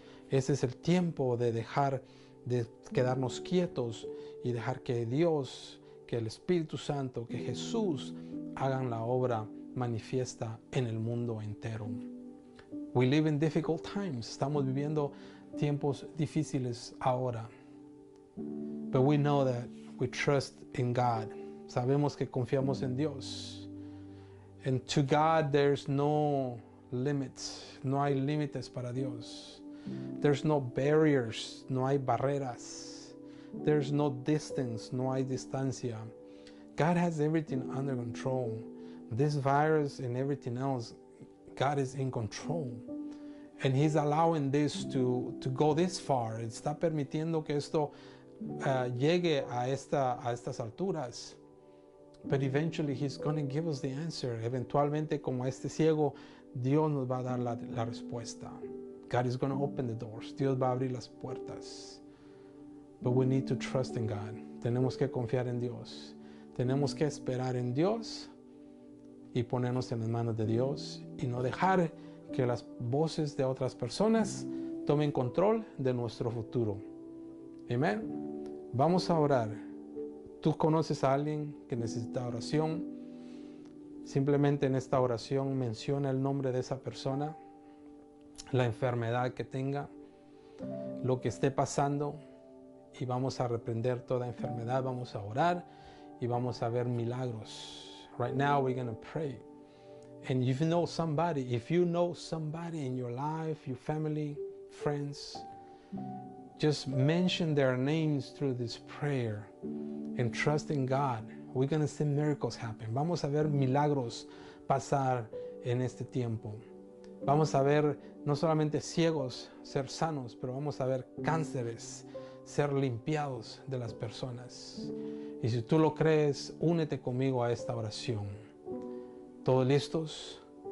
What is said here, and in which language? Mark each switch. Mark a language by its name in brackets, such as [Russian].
[Spanish] Este es el tiempo de dejar de quedarnos quietos y dejar que Dios, que el Espíritu Santo, que Jesús hagan la obra manifiesta en el mundo entero. [English] We live in difficult times. [Spanish] Estamos viviendo tiempos difíciles ahora. [English] But we know that we trust in God. [Spanish] Sabemos que confiamos en Dios. [English] And to God there's no limits. [Spanish] No hay límites para Dios. [English] There's no barriers. [Spanish] No hay barreras. [English] There's no distance. [Spanish] No hay distancia. [English] God has everything under control. This virus and everything else, God is in control. And he's allowing this to go this far. [Spanish] Está permitiendo que esto llegue a estas alturas. [English] But eventually he's going to give us the answer. [Spanish] Eventualmente, como este ciego, Dios nos va a dar la respuesta. [English] God is going to open the doors. [Spanish] Dios va a abrir las puertas. [English] But we need to trust in God. [Spanish] Tenemos que confiar en Dios. Tenemos que esperar en Dios y ponernos en las manos de Dios y no dejar que las voces de otras personas tomen control de nuestro futuro. Amén. Vamos a orar. Tú conoces a alguien que necesita oración. Simplemente en esta oración menciona el nombre de esa persona, la enfermedad que tenga, lo que esté pasando, y vamos a reprender toda enfermedad. Vamos a orar y vamos a ver milagros. [English] Right now we're going to pray. And if you know somebody in your life, your family, friends, just mention their names through this prayer and trust in God. We're going to see miracles happen. [Spanish] Vamos a ver milagros pasar en este tiempo. Vamos a ver no solamente ciegos ser sanos, pero vamos a ver cánceres ser limpiados de las personas. Y si tú lo crees, únete conmigo a esta oración. ¿Todos listos?